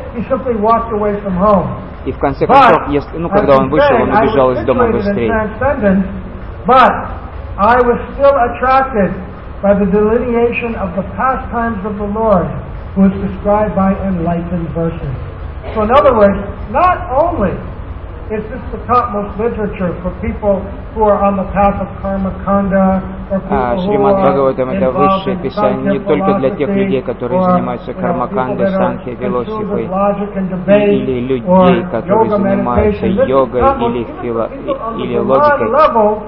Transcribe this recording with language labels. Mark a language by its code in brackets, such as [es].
[ru] И в конце концов, когда он вышел, он убежал из дома быстрее. [en] So in other words, not only is this the topmost literature for people who are on the path of karma kanda, [ru] Шримад Бхагаватам — это высшее писание не только для тех людей, которые занимаются кармакандой, санхи, философией, или людей, которые занимаются йогой или логикой.